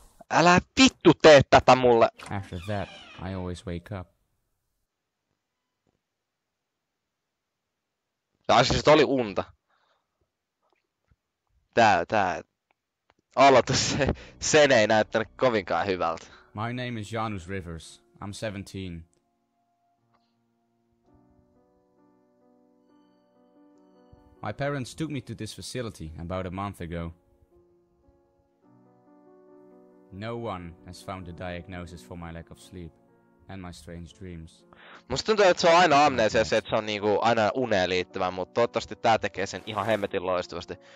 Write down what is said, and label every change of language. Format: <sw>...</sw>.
<fi>Älä vittu tee tätä mulle!</fi> <en>After that, I always wake up.</en> <fi>Tää siis oli unta. Tää. Aloitus, sen ei näyttänyt kovinkaan hyvältä.</fi> <en>My name is Janus Rivers. I'm 17. My parents took me to this facility about a month ago. No one has found a diagnosis for my lack of sleep and my strange dreams.</en> <fi>Musta tuntuu, että se on aina amnesia se, että se on niinku aina uneen liittyvä, mutta toivottavasti tää tekee sen ihan hemmetin loistavasti.</fi>